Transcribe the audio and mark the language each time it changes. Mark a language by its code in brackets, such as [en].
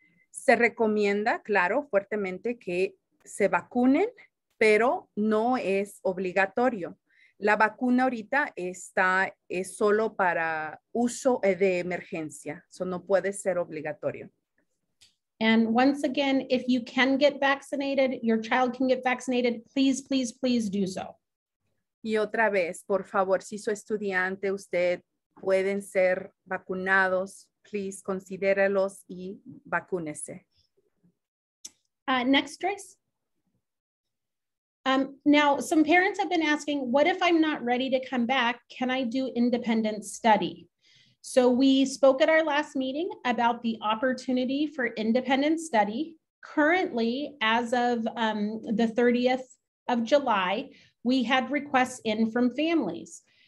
[es] Se recomienda, claro, fuertemente que se vacunen, pero no es obligatorio. La vacuna ahorita es solo para uso de emergencia. So no puede ser obligatorio. [en] And once again, if you can get vaccinated, your child can get vaccinated, please, please, please do so. [es] Y otra vez, por favor, si su estudiante, usted pueden ser vacunados, please considérelos y vacúnese. [en] Next, Trace. Now, some parents have been asking, what if I'm not ready to come back? Can I do independent study? So we spoke at our last meeting about the opportunity for independent study. Currently, as of the 30th of July, we had requests in from families.